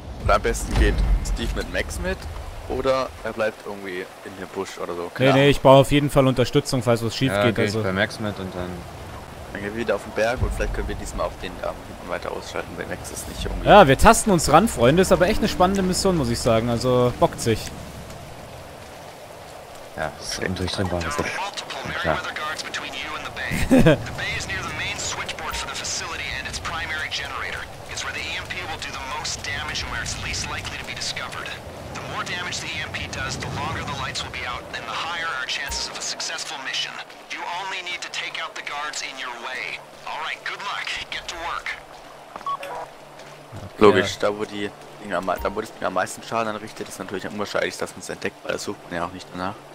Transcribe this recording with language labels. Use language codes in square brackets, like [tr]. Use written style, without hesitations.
[de] Und am besten geht Steve mit Max mit oder er bleibt irgendwie in dem Busch oder so. Klar. Nee, ich brauche auf jeden Fall Unterstützung, falls was schief geht. Ja, okay, also. Ich bei Max mit und dann gehen wir wieder auf den Berg und vielleicht können wir diesmal auch den hinten weiter ausschalten, weil Max ist nicht irgendwie... Ja, wir tasten uns ran, Freunde. Ist aber echt eine spannende Mission, muss ich sagen. Also, bockt sich. Ja, das ist eben durchdringbar. Das ist [en] the bay is near the main switchboard for the facility and its primary generator. It's where the EMP will do the most damage and where it's least likely to be discovered. The more damage the EMP does, the longer the lights will be out and the higher our chances of a successful mission. You only need to take out the guards in your way. All right, good luck. Get to work. Okay. [de] Logisch, da wo das Ding am meisten Schaden anrichtet, ist natürlich unwahrscheinlich, dass man es entdeckt, weil das sucht man ja auch nicht danach.